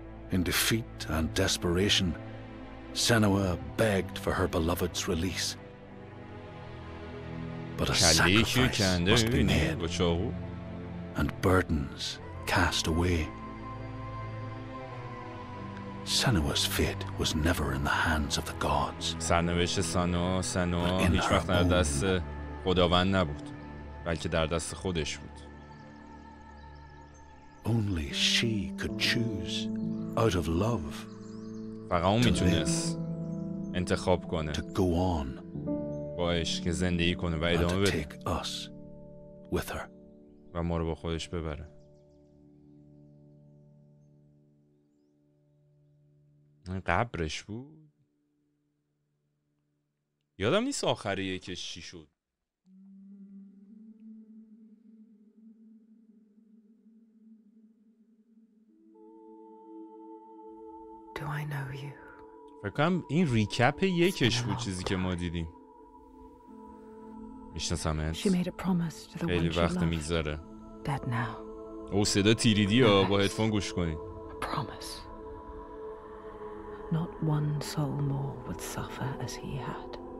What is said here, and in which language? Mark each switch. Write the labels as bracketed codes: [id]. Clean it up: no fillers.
[en] In defeat and desperation, Senua begged for her beloved's release. But a sacrifice must be made, and burdens cast away. Sanua's fate was never in the hands of the gods. [fa] سرنوشت سانو هیچ وقت در دست خداوند نبود، بلکه در دست خودش بود. [en] Only she could choose out of love. [fa] فقط اون میتونست انتخاب کنه. [en] To go on. [fa] با عشق زندگی کنه و ادامه بده. [en] Take us with her. [fa] و ما رو با خودش ببره. این قبرش بود؟ یادم نیست آخری یکش چی شد. فکرم این ریکپ یکش بود چیزی که ما دیدیم. میشناسم ات. خیلی وقت میگذره. او صدا تیریدی ها، با هدفون گوش کنید. [en] Not one soul more would suffer as he had.